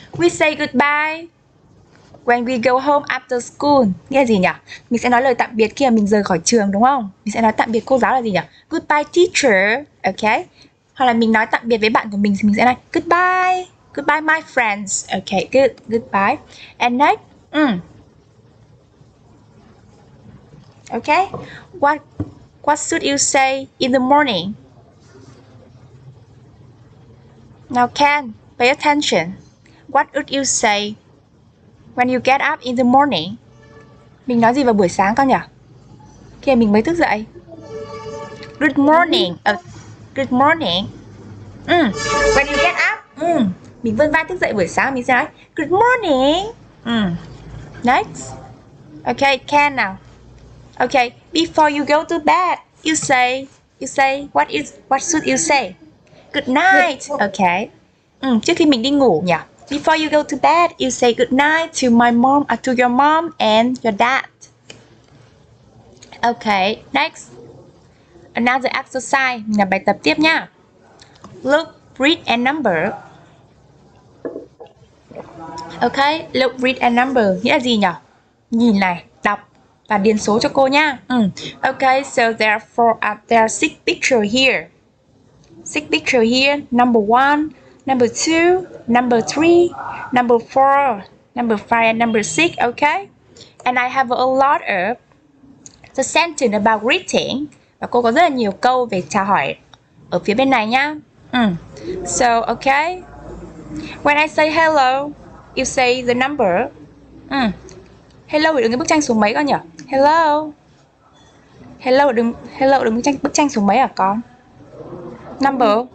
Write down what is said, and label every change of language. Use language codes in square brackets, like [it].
[en] We say goodbye when we go home after school. [vi] Nghe gì nhỉ? Mình sẽ nói lời tạm biệt khi mà mình rời khỏi trường đúng không? Mình sẽ nói tạm biệt cô giáo là gì nhỉ? [en] Goodbye teacher. [vi] Okay. Hoặc là mình nói tạm biệt với bạn của mình thì mình sẽ nói goodbye. [en] Goodbye my friends. Okay, good. Goodbye. And next. Okay. What should you say in the morning? Now Ken, pay attention. What would you say when you get up in the morning? [vi] Mình nói gì vào buổi sáng con nhỉ? Khi mình mới thức dậy. Good morning. Good morning. [en] When you get up, [vi] mình vươn vai thức dậy buổi sáng mình sẽ nói good morning. [en] Next. Okay, Ken now. Okay, before you go to bed, you say what should you say? Good night. Okay. [vi] Trước khi mình đi ngủ nhỉ? [en] Before you go to bed, you say good night to my mom, to your mom and your dad. Okay, next. [vi] Another exercise, mình làm bài tập tiếp nha. [en] Look, read and number. Okay, look, read and number [vi] nghĩa gì nhỉ? Nhìn này, đọc và điền số cho cô nha. [en] Okay, so there are six pictures here. Six pictures here, number one, number two, number three, number four, number five, and number six, okay? And I have a lot of the sentence about greeting. [vi] Và cô có rất là nhiều câu về chào hỏi ở phía bên này nhá. So, okay. [en] When I say hello, you say the number. [vi] Hello ở đứng bức tranh số mấy con nhỉ? [en] Hello. [vi] Hello ở đứng bức tranh số mấy hả con? Number.